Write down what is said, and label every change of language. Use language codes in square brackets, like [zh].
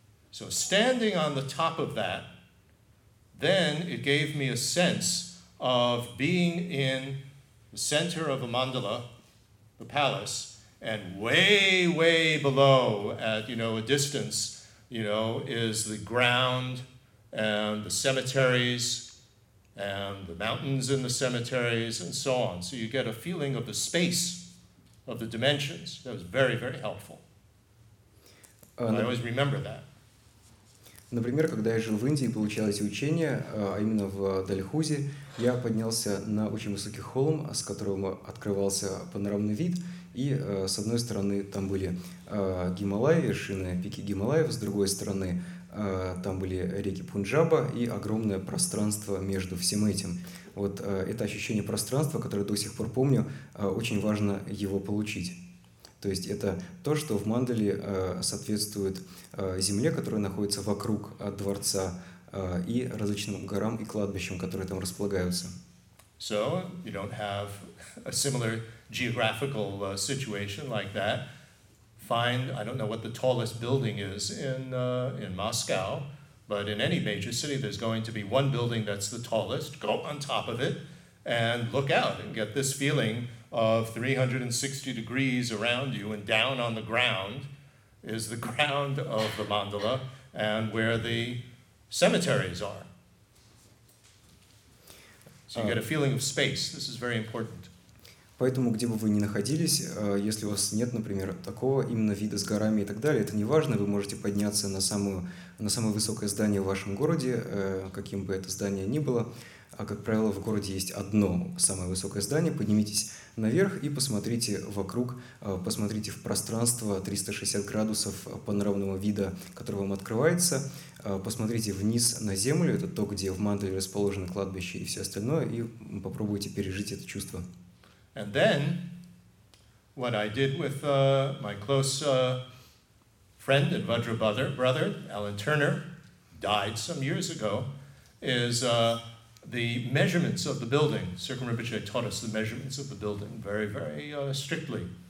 [en] So standing on the top of that, then it gave me a sense of being in the center of a mandala, the palace, and way, way below at, you know, a distance, you know, is the ground and the cemeteries and the mountains in the cemeteries and so on. So you get a feeling of the space of the dimensions. That was very, very helpful. I always remember that. [ru] Например, когда я жил в Индии и получал эти учения, а именно в Дальхузи, я поднялся на очень высокий холм, с которого открывался панорамный вид, и с одной стороны там были Гималаи, вершины, пики Гималаев, с другой стороны там были реки Пунджаба и огромное пространство между всем этим. Вот это ощущение пространства, которое до сих пор помню, очень важно его получить. То есть это то, что в мандале соответствует земле, которая находится вокруг дворца, и различным горам и кладбищам, которые там располагаются. [en] So you don't have a similar geographical situation like that. Find, I don't know what the tallest building is in Moscow, but in any major city, there's going to be one building that's the tallest. Go on top of it and look out and get this feeling of 360 degrees around you, and down on the ground is the ground of the mandala and where the cemeteries are. So you get a feeling of space. This is very important. [ru] Поэтому, где бы вы ни находились, если у вас нет, например, такого именно вида с горами и так далее, это не важно, вы можете подняться на самое высокое здание в вашем городе, каким бы это здание ни было. А как правило, в городе есть одно самое высокое здание. Поднимитесь наверх и посмотрите вокруг, посмотрите в пространство 360 градусов панорамного вида, который вам открывается. Посмотрите вниз на землю, это то, где в мандале расположены кладбища и все остальное, и попробуйте пережить это чувство. [en] And then, what I did with my close friend and Vajra brother, Alan Turner, died some years ago, is the measurements of the building. Sirkin Rinpoche taught us the measurements of the building very, very strictly.